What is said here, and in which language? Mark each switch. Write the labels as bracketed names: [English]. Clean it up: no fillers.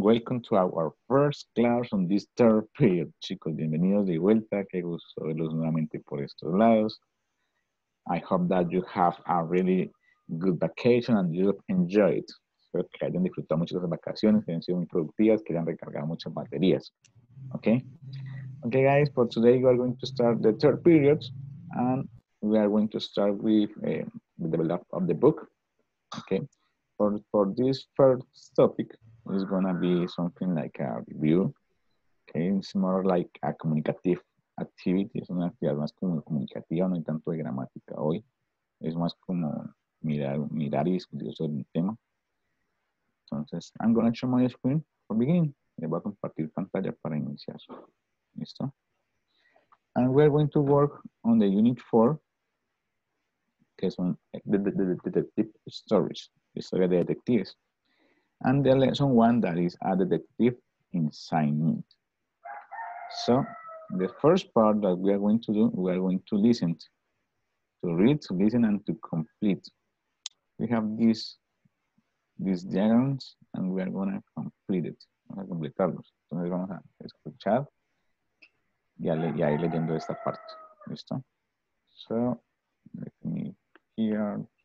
[English] Welcome to our first class on this third period. [Spanish] Chicos, bienvenidos de vuelta. Qué gusto verlos nuevamente por estos lados. [English] I hope that you have a really good vacation and you enjoyed. [Spanish] Espero que hayan disfrutado mucho de las vacaciones, que hayan sido muy productivas, que hayan recargado muchas baterías. [English] Okay? Okay, guys, for today we are going to start the third period and we are going to start with the development of the book. Okay? For this first topic, it's going to be something like a review. Okay, it's more like a communicative activity. [Spanish] Es una actividad más como comunicativa, no hay tanto de gramática hoy. Es más como mirar y discutir sobre un tema. Entonces, [English] I'm going to show my screen for beginning. [Spanish] Le voy a compartir pantalla para iniciar. ¿Listo? [English] And we're going to work on the unit 4, [Spanish] que son [English] the detective stories. [Spanish] Historia de detectives. [English] And the lesson one, that is a detective assignment. So, the first part that we are going to do, we are going to listen. To read, to listen, and to complete. We have these diagrams, and we are going to complete it. [Spanish] Vamos a completarlos. Entonces vamos a escuchar y a ir leyendo esta parte. ¿Listo? [English] So, let me here.